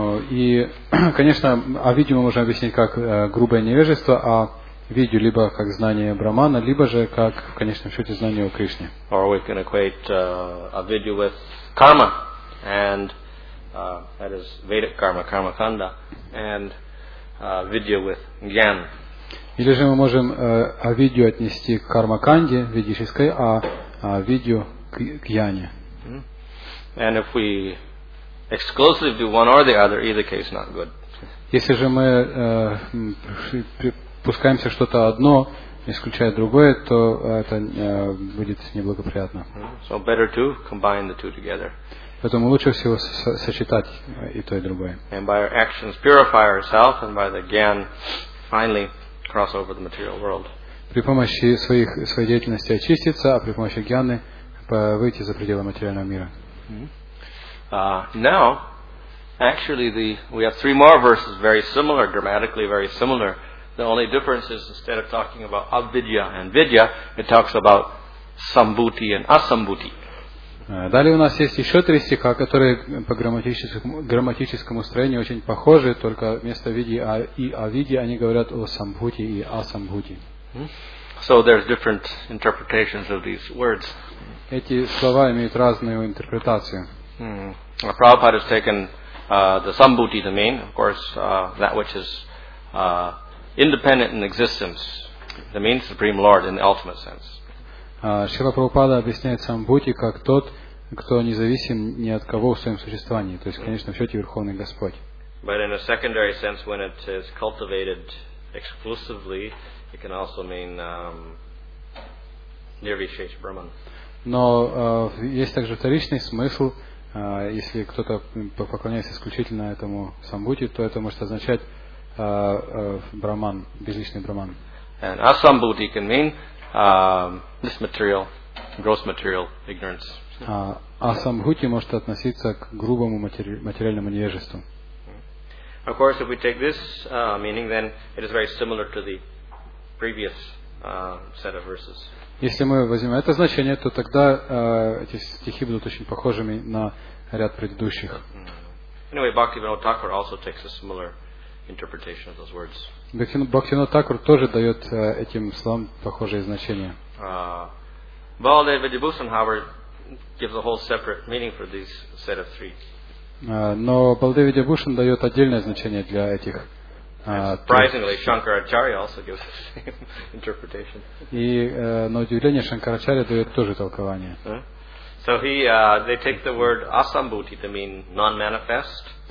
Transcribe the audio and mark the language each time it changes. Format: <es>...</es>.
<ru>И, конечно, авидью мы можем объяснить как грубое невежество, а видью либо как знание Брахмана, либо же как, в конечном счете, знание о Кришне.</ru> <en>Or we can equate avidya with karma, and that is Vedic karma, karma kanda, and vidya with jnana.</en> <ru>Или же мы можем авидью отнести к карма канде ведической, а видью к яне.</ru> <en>And if we exclusively do one or the other, either case not good.</en> <ru>Если же мы пускаемся что-то одно, исключая другое, то это будет неблагоприятно.</ru> <en>So better to combine the two together.</en> <ru>Поэтому лучше всего сочетать и то, и другое.</ru> <en>And by our actions purify ourselves, and by the gyan finally cross over the material world.</en> <ru>При помощи своей деятельности очиститься, а при помощи гьяны выйти за пределы материального мира.</ru> <en>Now, actually, we have three more verses, very similar, grammatically very similar. The only difference is instead of talking about avidya and vidya, it talks about sambhuti and asambhuti.</en> <ru>Далее у нас есть еще три стиха, которые по грамматическому строению очень похожи, только вместо видья и авидья они говорят о самбхути и асамбхути.</ru> <en>So there's different interpretations of these words.</en> <ru>Эти слова имеют разную интерпретацию.</ru> <en>Prabhupada has taken the sambhuti to mean, of course, that which is independent in existence. That means Supreme Lord in the ultimate sense.</en> <ru>Шрила Прабхупада объясняет самбхути как тот, кто независим ни от кого в своем существовании, то есть, конечно, в счете Верховный Господь.</ru> <en>But in a secondary sense, when it is cultivated exclusively, it can also mean nirvishesha Brahman.</en> <ru>Но есть также вторичный смысл. Если кто-то поклоняется исключительно этому самбхути, то это может означать брахман, безличный брахман.</ru> <en>And asambhuti can mean this material, gross material ignorance.</en> <ru>Асамбхути может относиться к грубому материальному невежеству.</ru> <en>Of course, if we take this meaning, then it is very similar to the previous set of verses.</en> <ru>Если мы возьмем это значение, то тогда эти стихи будут очень похожими на ряд предыдущих.</ru> <en>Anyway, Bhaktivinoda Thakur also takes a similar interpretation of those words.</en> <ru>Бхактивинода Такур тоже дает этим словам похожее значение.</ru> <en>Баладева Вадибусан, however, gives a whole separate meaning for these set of three.</en> <ru>Но Баладева Вадибусан дает отдельное значение для этих.</ru> <en>Surprisingly, Shankaracharya also gives the same interpretation.</en> <ru>И на удивление Шанкарачарья дает тоже толкование.</ru> <en>So they take the word asambhuti to mean non-manifest.</en>